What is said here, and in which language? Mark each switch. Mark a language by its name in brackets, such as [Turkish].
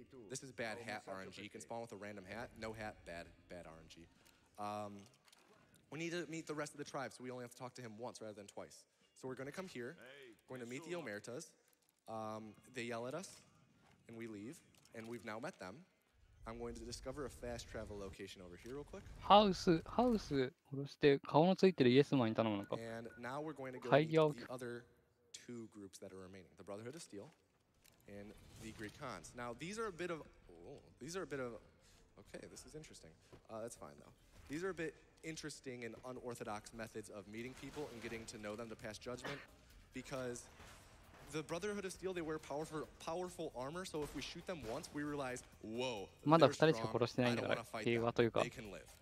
[English] This is bad hat RNG. You can spawn with a random hat. No hat, bad RNG. We need to meet the rest of the tribe, so we only have to talk to him once rather than twice. So we're going to come here, going to meet the Omertas. They yell at us, and we leave, and we've now met them. I'm going to discover a fast travel location over here real quick. [Japanese] ハウス殺して顔のついてるイエスマンに頼むのか。 [English] And now we're going to go to the other two groups that are remaining, the Brotherhood of Steel and the Greek Khans. Now these are a bit of, okay, this is interesting. That's fine though. These are a bit interesting and unorthodox methods of meeting people and getting to know them to pass judgment because The Brotherhood of Steel, they wear powerful armor, so if we shoot them once, we realize, whoa, they're strong, I don't want to fight them, they can live.